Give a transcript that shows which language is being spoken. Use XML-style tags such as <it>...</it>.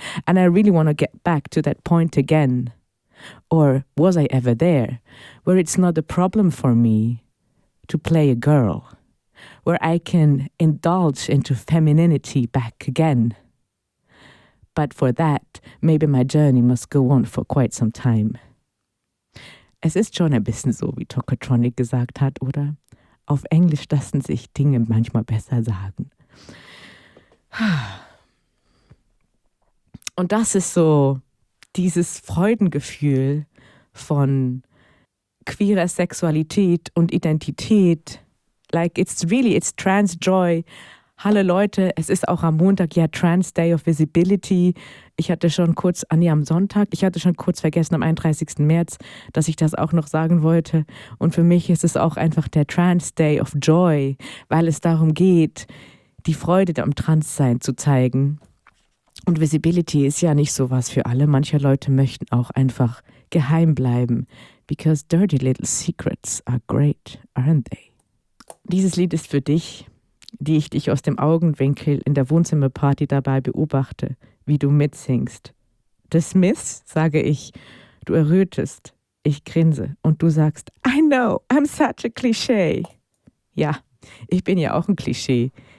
<en>And I really want to get back to that point again. Or was I ever there? Where it's not a problem for me to play a girl. Where I can indulge into femininity back again. But for that, maybe my journey must go on for quite some time.</en> <de>Es ist schon ein bisschen so, wie Tokotronic gesagt hat, oder? Auf Englisch lassen sich Dinge manchmal besser sagen. Und das ist so dieses Freudengefühl von queerer Sexualität und Identität.</de> <en>Like, it's really, it's trans joy.</en> <de>Hallo Leute, es ist auch am Montag ja Trans Day of Visibility. Ich hatte schon kurz vergessen am 31. März, dass ich das auch noch sagen wollte. Und für mich ist es auch einfach der Trans Day of Joy, weil es darum geht, die Freude am Transsein zu zeigen. Und Visibility ist ja nicht sowas für alle. Manche Leute möchten auch einfach geheim bleiben.</de> <en>Because dirty little secrets are great, aren't they?</en> <de>Dieses Lied ist für dich, die ich dich aus dem Augenwinkel in der Wohnzimmerparty dabei beobachte, wie du mitsingst. Dismiss, sage ich. Du errötest. Ich grinse. Und du sagst,</de> <en>I know, I'm such a cliché.</en> <de>Ja, ich bin ja auch ein Klischee.</de>